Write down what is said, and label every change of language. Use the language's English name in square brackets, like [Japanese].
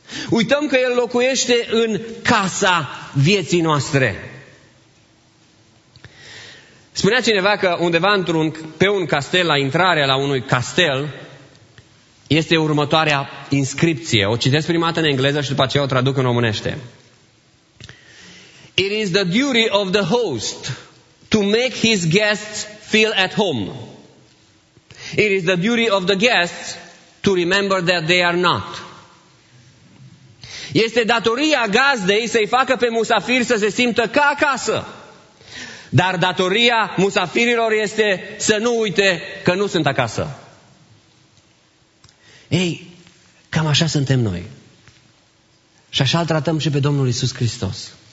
[Romanian] Uităm că El locuiește în casa vieții noastre. Spunea cineva că undeva pe un castel, la intrarea la unui castel, este următoarea inscripție. O citesc prima dată în engleză și după aceea o traduc în românește. [English] It is the duty of the host to make his guests feel at home. It is the duty of the guests to remember that they are not. [Romanian] Este datoria gazdei să-i facă pe musafir să se simtă ca acasă. Dar datoria musafirilor este să nu uite că nu sunt acasă. Ei, cam așa suntem noi. Și așa îl tratăm și pe Domnul Iisus Hristos.